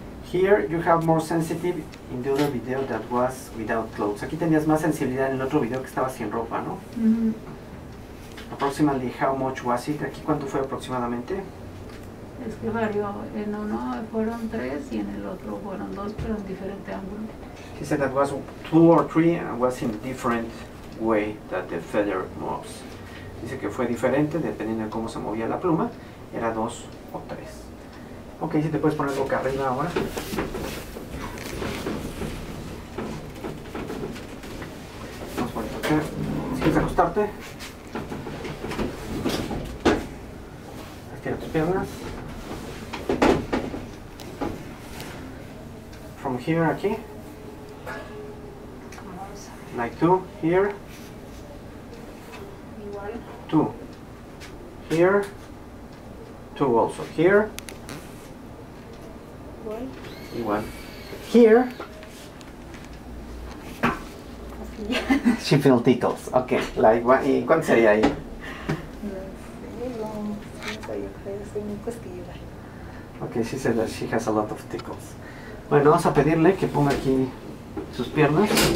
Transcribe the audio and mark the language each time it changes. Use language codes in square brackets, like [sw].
[en] Here you have more sensitive in the other video that was without clothes. [es] Aquí tenías más sensibilidad en el otro video que estaba sin ropa, ¿no? Mm-hmm. [en] Approximately how much was it? [es] Aquí cuánto fue aproximadamente? Es que varió. En uno fueron 3 y en el otro fueron 2, pero en diferente ángulo. [en] She said that was 2 or 3 and was in different way that the feather moves. [es] Dice que fue diferente dependiendo de cómo se movía la pluma, era 2 o 3. Ok, si te puedes poner boca arriba ahora. Vamos a poner acá. Si quieres acostarte, estira tus piernas. [en] From here aquí. Like 2 here. 2 here. 2 also here. [es] Igual. [en] Here. [es] Así. [en] She feels tickles. Ok, like, [es] ¿cuánto sería ahí? No sé, no sé, yo creo que es muy costilla. [en] Ok, she said that she has a lot of tickles. [es] Bueno, vamos a pedirle que ponga aquí sus piernas.